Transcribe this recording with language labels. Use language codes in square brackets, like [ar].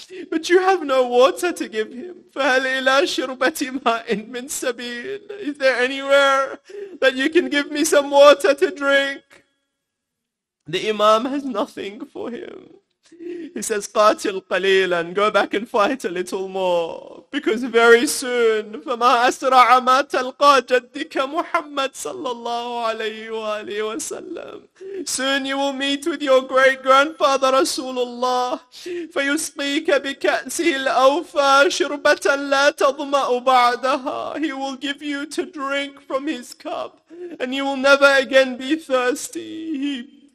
[en] But you have no water to give him. [ar] فَهَلْ إِلَىٰ شِرْبَةِ مَاءٍ مِّن سَبِيلٍ. [en] Is there anywhere that you can give me some water to drink? The Imam has nothing for him. He says, [ar] قَاتِلْ قَلِيلًا. [en] Go back and fight a little more. Because very soon, [ar] فَمَا أَسْرَعَ مَا تَلْقَى جَدِّكَ مُحَمَّدٍ صَلَّى اللَّهُ عَلَيْهِ وَآلِهِ وَسَلَّمٍ. [en] Soon you will meet with your great-grandfather Rasulullah. [ar] فَيُسْقِيكَ بِكَأْسِهِ الْأَوْفَى شِرْبَةً لَا تَضْمَأُ بَعْدَهَا. [en] He will give you to drink from his cup. And you will never again be thirsty.